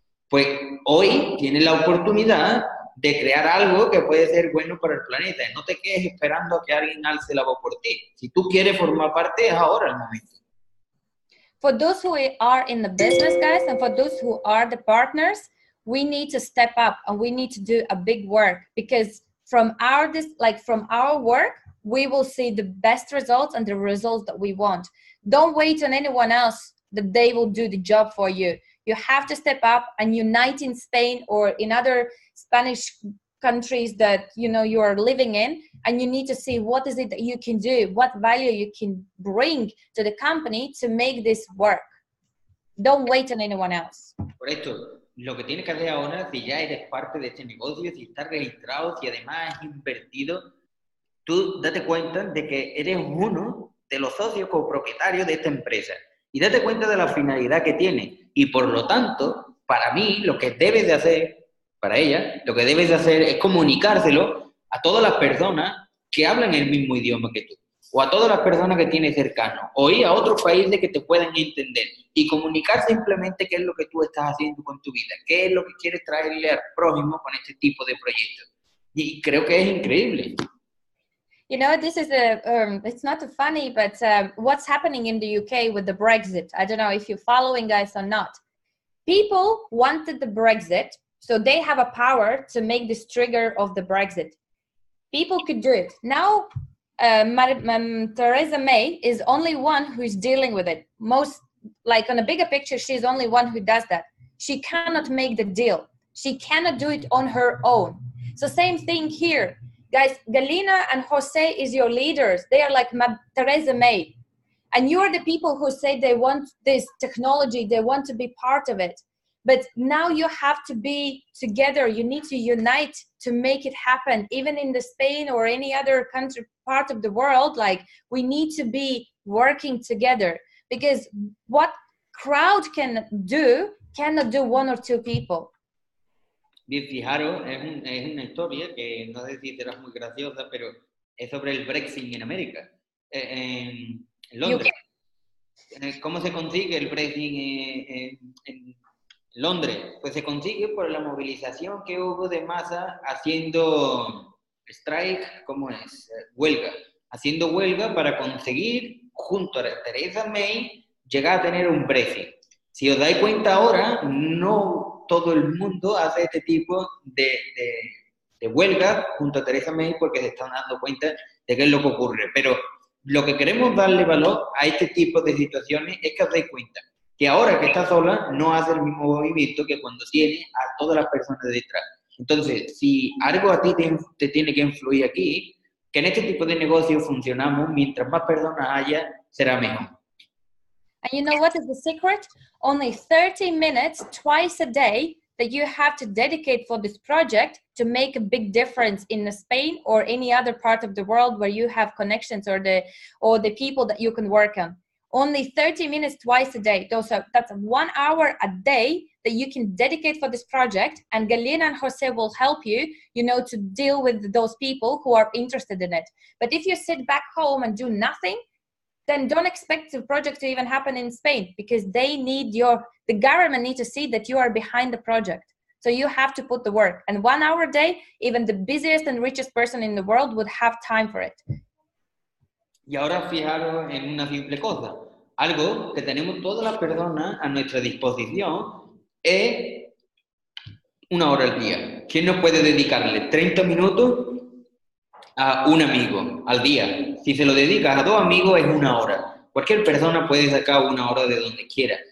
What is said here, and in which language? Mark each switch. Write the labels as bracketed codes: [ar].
[es] Pues hoy tienes la oportunidad de crear algo que puede ser bueno para el planeta. No te quedes esperando a que alguien alce la voz por ti. Si tú quieres formar parte, es ahora el momento. [en] For those who are in the business, guys, and for those who are the partners, we need to step up and we need to do a big work, because from our work, we will see the best results and the results that we want. Don't wait on anyone else that they will do the job for you. You have to step up and unite in Spain or in other Spanish countries that, you know, you are living in, and you need to see what is it that you can do, what value you can bring to the company to make this work. Don't wait on anyone else. Por esto, lo que tienes que hacer ahora, si ya eres parte de este negocio, si estás registrado, si además has invertido, tú date cuenta de que eres uno de los socios copropietarios de esta empresa. Y date cuenta de la finalidad que tiene. Y por lo tanto, para mí, lo que debes de hacer para ella, lo que debes hacer es comunicárselo a todas las personas que hablan el mismo idioma que tú, o a todas las personas que tienes cercano, o ir a otros países que te puedan entender, y comunicar simplemente qué es lo que tú estás haciendo con tu vida, qué es lo que quieres traerle al prójimo con este tipo de proyectos. Y creo que es increíble. You know, this is it's not funny, but what's happening in the UK with the Brexit? I don't know if you're following guys or not. People wanted the Brexit, so they have a power to make this trigger of the Brexit. People could do it. Now, Theresa May is only one who is dealing with it. Most, like on a bigger picture, she's only one who does that. She cannot make the deal. She cannot do it on her own. So same thing here. Guys, Galina and Jose is your leaders. They are like Theresa May. And you are the people who say they want this technology. They want to be part of it. But now you have to be together. You need to unite to make it happen. Even in the Spain or any other country, part of the world, like we need to be working together. Because what crowd can do, cannot do one or two people. [es] Bien, fijaros, es una historia que no sé si será muy graciosa, pero es sobre el Brexit en América, en Londres. ¿Cómo se consigue el Brexit en Londres? Pues se consigue por la movilización que hubo de masa haciendo strike, ¿cómo es? Huelga. Haciendo huelga para conseguir, junto a Theresa May, llegar a tener un Brexit. Si os dais cuenta ahora, no todo el mundo hace este tipo de huelga junto a Theresa May porque se están dando cuenta de qué es lo que ocurre. Pero lo que queremos darle valor a este tipo de situaciones es que os dais cuenta que ahora que está sola no hace el mismo movimiento que cuando tiene a todas las personas detrás. Entonces, si algo a ti te tiene que influir aquí, que en este tipo de negocios funcionamos, mientras más personas haya, será mejor. [en] And you know what is the secret? Only 30 minutes twice a day that you have to dedicate for this project to make a big difference in Spain or any other part of the world where you have connections or the people that you can work on. Only 30 minutes twice a day. So that's 1 hour a day that you can dedicate for this project, and Galina and Jose will help you, you know, to deal with those people who are interested in it. But if you sit back home and do nothing, then don't expect the project to even happen in Spain, because they need your, the government need to see that you are behind the project. So you have to put the work. And 1 hour a day, even the busiest and richest person in the world would have time for it. [es] Y ahora fijaros en una simple cosa. Algo que tenemos todas las personas a nuestra disposición es una hora al día. ¿Quién nos puede dedicarle 30 minutos a un amigo al día? Si se lo dedicas a dos amigos es una hora. Cualquier persona puede sacar una hora de donde quiera.